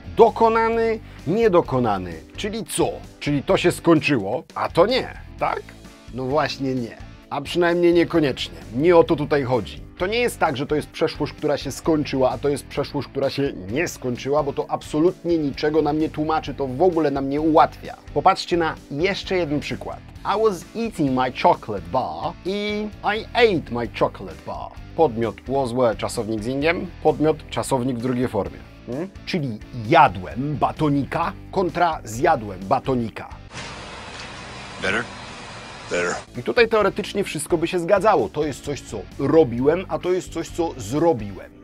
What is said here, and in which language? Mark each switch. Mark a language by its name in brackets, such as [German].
[Polish] Dokonany, niedokonany. Czyli co? Czyli to się skończyło, a to nie. Tak? No właśnie nie. A przynajmniej niekoniecznie. Nie o to tutaj chodzi. To nie jest tak, że to jest przeszłość, która się skończyła, a to jest przeszłość, która się nie skończyła, bo to absolutnie niczego nam nie tłumaczy, to w ogóle nam nie ułatwia. Popatrzcie na jeszcze jeden przykład. [English] I was eating my chocolate bar i I ate my chocolate bar. [Polish] Podmiot was were, czasownik z ingiem, podmiot czasownik w drugiej formie. Czyli jadłem batonika kontra zjadłem batonika. [English] Better? [Polish] I tutaj teoretycznie wszystko by się zgadzało. To jest coś, co robiłem, a to jest coś, co zrobiłem.